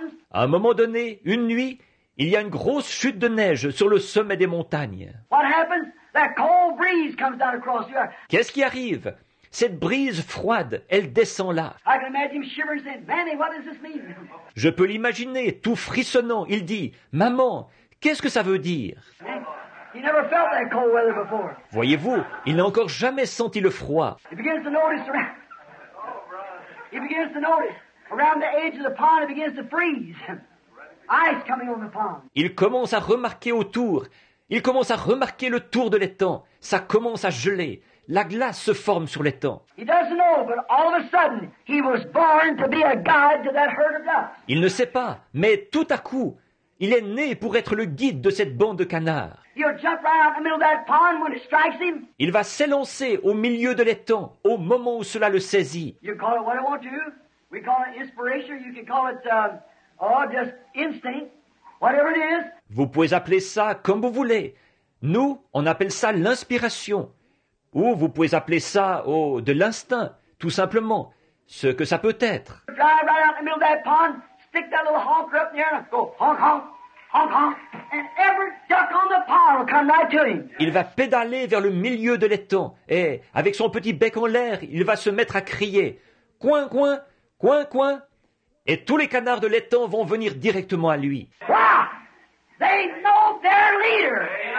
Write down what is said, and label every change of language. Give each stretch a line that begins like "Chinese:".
French: À un moment donné, une nuit, il y a une grosse chute de neige sur le sommet des montagnes.
English: What happens? That cold breeze comes down across the earth.
French: Qu'est-ce qui arrive? Cette brise froide, elle descend là.
English: I can imagine shivers and, Mammy, what does this mean?
French: Je peux l'imaginer, tout frissonnant, il dit, « Maman, qu'est-ce que ça veut dire ?»
English: He never felt that cold weather before.
French: Voyez-vous, il n'a encore jamais senti le froid.
English: He begins to notice around, he begins to notice around the edge of the pond, it begins to freeze. Ice coming on the pond.
French: Il commence à remarquer autour. Il commence à remarquer le tour de l'étang. Ça commence à geler. La glace se forme sur l'étang.
English: He doesn't know, but all of a sudden, he was born to be a guide to that herd of ducks.
French: Il ne sait pas, mais tout à coup, il est né pour être le guide de cette bande de canards.
English: He'll jump right out in the middle of that pond when it strikes him.
French: Il va s'élancer au milieu de l'étang au moment où cela le saisit.
English: You call it what I want to. We call it inspiration. You can call it just instinct. Whatever it is.
French: Vous pouvez appeler ça comme vous voulez. Nous, on appelle ça l'inspiration. Ou vous pouvez appeler ça de l'instinct, tout simplement. Ce que ça peut être.
English: Drive right out in the middle of that pond. Stick that little honker up in the air and go honk honk honk honk, and every duck on the pond will come right to him.
French: Il va pédaler vers le milieu de l'étang et avec son petit bec en l'air, il va se mettre à crier coin coin coin coin, et tous les canards de l'étang vont venir directement à lui.
English: Wow! They know their leader.